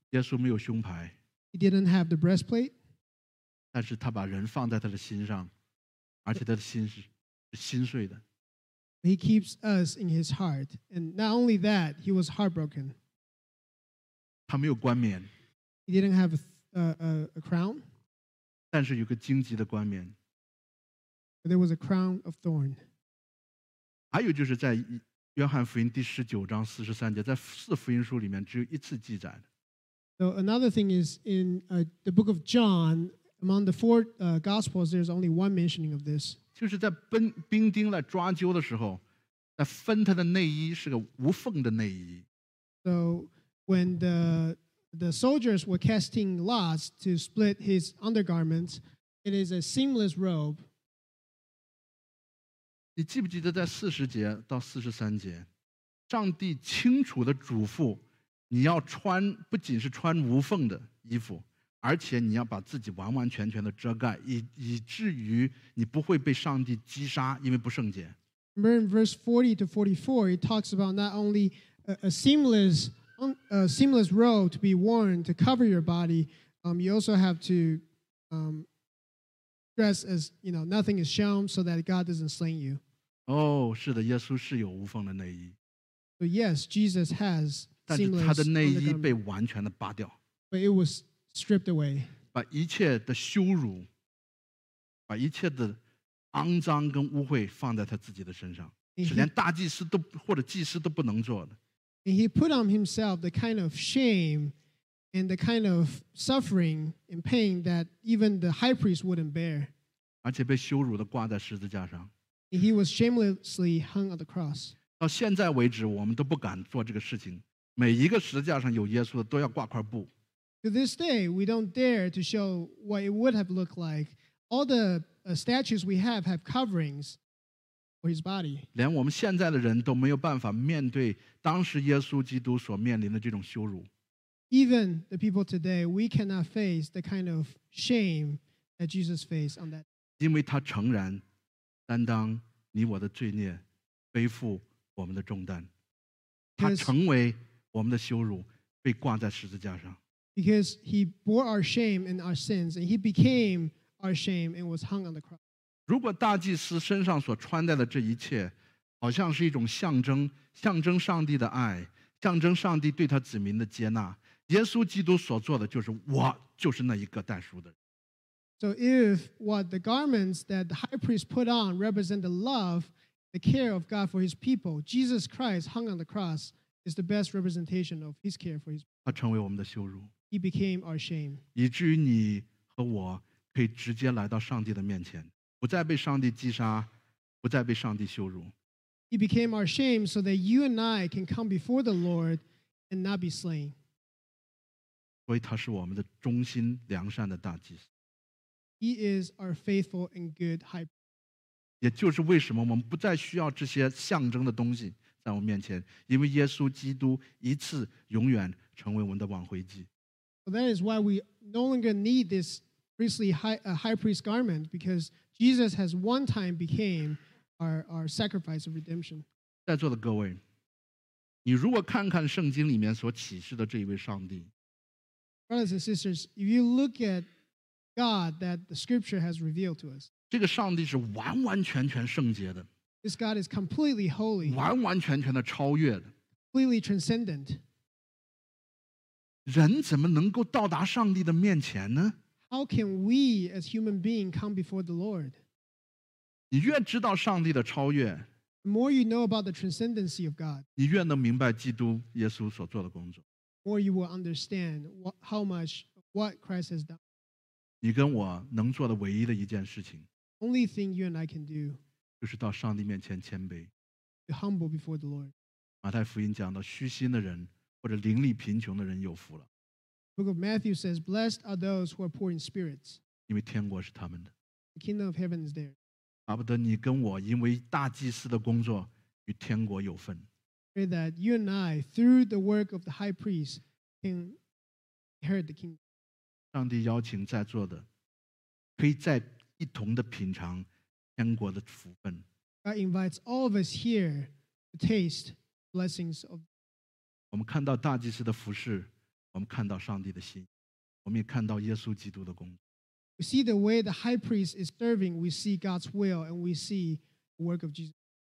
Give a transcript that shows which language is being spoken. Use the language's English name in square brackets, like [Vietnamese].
[Chinese] 耶稣没有胸牌。 [English] He didn't have the breastplate. [Chinese] 但是他把人放在他的心上，而且他的心是心碎的。 [English] He keeps us in his heart. And not only that, he was heartbroken. [Chinese] 他没有冠冕。 [English] He didn't have a crown. [Chinese] 但是有个荆棘的冠冕。 [English] But there was a crown of thorn. [Chinese] 还有就是在约翰福音第十九章四十三节，在四福音书里面只有一次记载的。 [English] So another thing is in the book of John, among the four Gospels, there's only one mentioning of this. [Chinese] 就是在兵丁来抓阄的时候，在分他的内衣是个无缝的内衣。 [English] So when the soldiers were casting lots to split his undergarments, it is a seamless robe. [Chinese] 你记不记得在四十节到四十三节，上帝清楚的嘱咐你要穿，不仅是穿无缝的衣服，而且你要把自己完完全全的遮盖， 以至于你不会被上帝击杀，因为不圣洁。 [English] Remember in verse 40 to 44, it talks about not only a seamless robe to be worn to cover your body, you also have to dress as, you know, nothing is shown so that God doesn't slay you. [Chinese] 哦，是的，耶稣是有无缝的内衣。 [English] So yes, Jesus has seamless. [Chinese] 但是他的内衣被完全的扒掉。 [English] But it was stripped away. [Chinese] 把一切的羞辱，把一切的肮脏跟污秽放在他自己的身上，是连大祭司都或者祭司都不能做的。 [English] And he put on himself the kind of shame and the kind of suffering and pain that even the high priest wouldn't bear. [Chinese] 而且被羞辱的挂在十字架上。 [English] And he was shamelessly hung on the cross. [Chinese] 到现在为止，我们都不敢做这个事情。每一个十字架上有耶稣的都要挂块布。 [English] To this day, we don't dare to show what it would have looked like. All the statues we have coverings for his body. [Chinese] 连我们现在的人都没有办法面对当时耶稣基督所面临的这种羞辱。 [English] Even the people today, we cannot face the kind of shame that Jesus faced on that. [Chinese] 因为他诚然担当你我的罪孽，背负我们的重担。他成为我们的羞辱，被挂在十字架上。 [English] Because he bore our shame and our sins, and he became our shame and was hung on the cross. [Chinese] 如果大祭司身上所穿戴的这一切，好像是一种象征，象征上帝的爱，象征上帝对他子民的接纳。耶稣基督所做的就是我，就是那一个代赎的人。 [English] So if what the garments that the high priest put on represent the love, the care of God for his people, Jesus Christ hung on the cross is the best representation of his care for his people. [Chinese] 他成为我们的羞辱。 [English] He became our shame. [Chinese] 以至于你和我可以直接来到上帝的面前，不再被上帝击杀，不再被上帝羞辱。 [English] He became our shame so that you and I can come before the Lord and not be slain. [Chinese] 所以他是我们的忠心良善的大祭司。 [English] He is our faithful and good high priest. [Chinese] 也就是为什么我们不再需要这些象征的东西在我面前，因为耶稣基督一次永远成为我们的挽回祭。 [English] Well, that is why we no longer need this priestly high priest garment, because Jesus has one time became our sacrifice of redemption. [Chinese] 在座的各位，你如果看看圣经里面所启示的这一位上帝， [English] Brothers and sisters, if you look at God that the scripture has revealed to us, [Chinese] 这个上帝是完完全全圣洁的。 [English] This God is completely holy. [Chinese] 完完全全的超越的。 [English] Completely transcendent. [Chinese] 人怎么能够到达上帝的面前呢？ [English] How can we as human beings come before the Lord? [Chinese] 你越知道上帝的超越， [English] The more you know about the transcendency of God, [Chinese] 你越能明白基督耶稣所做的工作。 [English] more you will understand how much what Christ has done. [Chinese] 你跟我能做的唯一的一件事情 [English] only thing you and I can do [Chinese] 就是到上帝面前谦卑 [English] to humble before the Lord. [Chinese] 马太福音讲到虚心的人或者灵力贫穷的人有福了 [English] Book of Matthew says, blessed are those who are poor in spirit. [Chinese] 因为天国是他们的 [English] The kingdom of heaven is there. [Chinese] 巴不得你跟我因为大祭司的工作与天国有份 [English] Pray that you and I, through the work of the high priest, can inherit the kingdom. [Chinese] 上帝邀请在座的可以再一同的品尝天国的福分 [English] God invites all of us here to taste blessings of [Chinese] 我们看到大祭司的服事我们看到上帝的心我们也看到耶稣基督的工作 [English] We see the way the high priest is serving we see God's will and we see the work of Jesus